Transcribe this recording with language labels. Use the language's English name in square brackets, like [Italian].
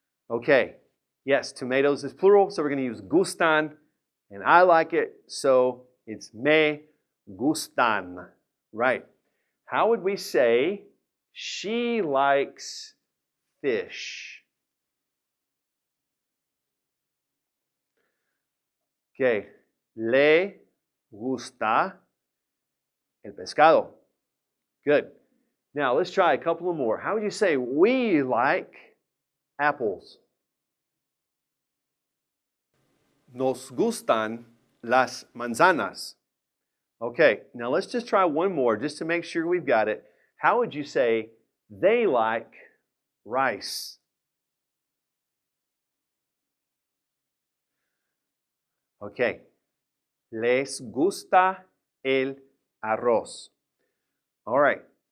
[English] Okay, yes, tomatoes is plural, so we're going to use gustan, and I like it, so it's [Spanish] me gustan. [English] Right. How would we say, she likes fish? [Spanish] Okay, le gusta el pescado. [English] Good. Now let's try a couple more. How would you say we like apples? [Spanish] Nos gustan las manzanas. [English] Okay, now let's just try one more just to make sure we've got it. How would you say they like rice? [Spanish] Okay. Les gusta el arroz. [English] All right.